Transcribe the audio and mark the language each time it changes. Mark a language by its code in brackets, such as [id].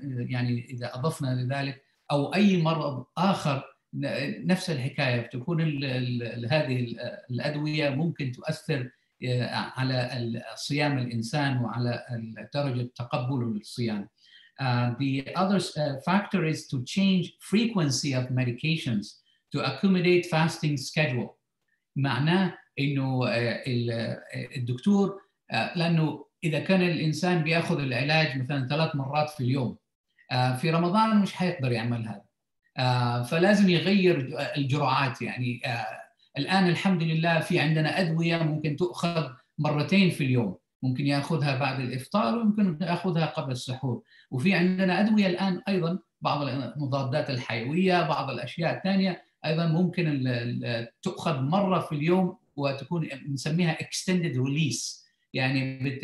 [ar] يعني إذا أضفنا لذلك، أو أي مرض آخر نفس الحكاية، تكون هذه الأدوية ممكن تؤثر على صيام الإنسان وعلى درجة تقبله للصيام. [en] The other factor is to change frequency of medications to accommodate fasting schedule. [ar] معناه إنه الدكتور لأنه إذا كان الإنسان بيأخذ العلاج مثلاً 3 مرات في اليوم في رمضان مش هيقدر يعمل هذا، فلازم يغير الجرعات. يعني الآن الحمد لله في عندنا أدوية ممكن تؤخذ 2 مرات في اليوم، ممكن يأخذها بعد الإفطار وممكن يأخذها قبل السحور، وفي عندنا أدوية الآن أيضا بعض المضادات الحيوية بعض الأشياء الثانية أيضا ممكن تأخذ 1 مرة في اليوم وتكون نسميها extended release، يعني